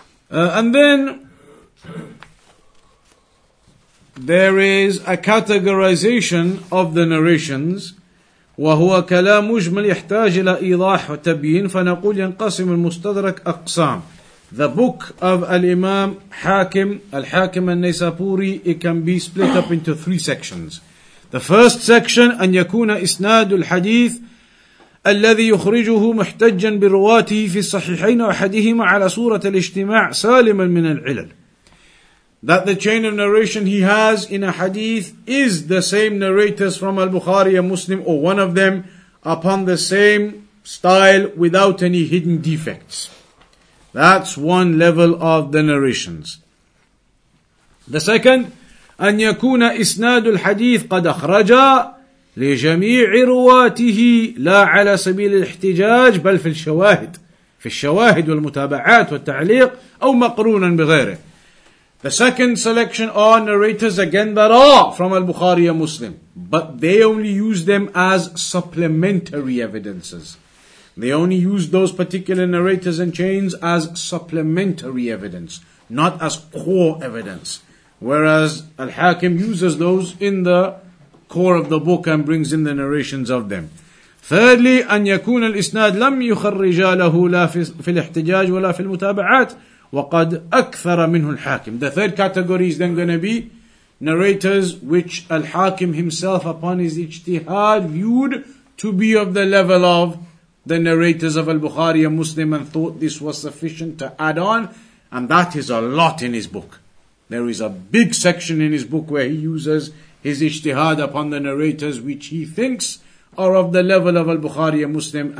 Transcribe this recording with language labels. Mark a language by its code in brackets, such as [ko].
[en] And then there is a categorization of the narrations. [ar] وَهُوَ كَلَامُ مُجْمَلْ يَحْتَاجِ إِلَىٰ إِيضَاحُ وَتَبِيِّنُ فَنَقُولْ يَنْقَسِمُ الْمُسْتَدْرَكُ أَقْسَامٌ. [en] The book of Al-Imam Hakim, Al-Hakim al-Naysapuri, it can be split up into three sections. The first section, [ar] أَنْ يَكُونَ إِسْنَادُ الْحَدِيثِ الَّذِي يُخْرِجُهُ مُحْتَجًا بِرُوَاتِهِ فِي الصَّحِحَيْنَ وَحَدِهِمَ عَلَى صُورَةِ الْإِجْتِمَاعِ سَالِمًا مِنَ الْعِلَلِ. [en] That the chain of narration he has in a hadith is the same narrators from Al-Bukhari and Muslim, or one of them, upon the same style without any hidden defects. That's one level of the narrations. The second, [ar] أن يكون إسناد الحديث قد أخرج لجميع رواته لا على سبيل الاحتجاج بل في الشواهد والمتابعات والتعليق أو مقرونا بغيره. [en] The second selection are narrators again that are from Al-Bukhari and Muslim. But they only use them as supplementary evidences. They only use those particular narrators and chains as supplementary evidence, not as core evidence. Whereas Al-Hakim uses those in the core of the book and brings in the narrations of them. [ar] Thirdly, أن يكون الإسناد لم يخرج له لا في الاحتجاج ولا في المتابعات. وَقَدْ أَكْثَرَ مِنْهُ الْحَاكِمِ. [en] The third category is then going to be narrators which Al-Hakim himself upon his ijtihad viewed to be of the level of the narrators of Al-Bukhari and Muslim, and thought this was sufficient to add on. And that is a lot in his book. There is a big section in his book where he uses his ijtihad upon the narrators which he thinks are of the level of Al-Bukhari and Muslim.